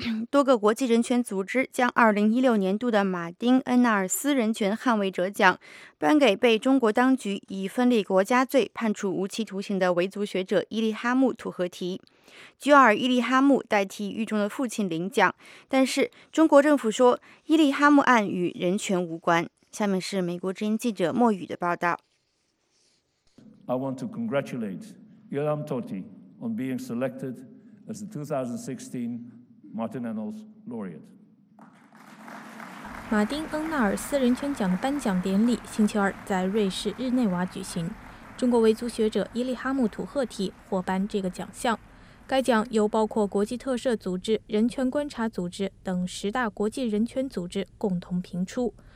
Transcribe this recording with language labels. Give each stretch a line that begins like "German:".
Chinese: 多个国际人权组织将2016年度的马丁·恩纳尔斯人权捍卫者奖颁给被中国当局以分裂国家罪判处无期徒刑的维族学者伊利哈木·土合提。居尔·伊利哈木代替狱中的父亲领奖，但是中国政府说伊利哈木案与人权无关。下面是美国之音记者莫宇的报道。
English: I want to congratulate Yoram Toti on being selectedas the 2016 Martin Ennals Laureate.
Chinese: 马丁·恩纳尔斯人权奖的颁奖典礼星期二在瑞士日内瓦举行。中国维族学者伊利哈木·土赫提获颁这个奖项。该奖由包括国际特赦组织、人权观察组织等十大国际人权组织共同评出。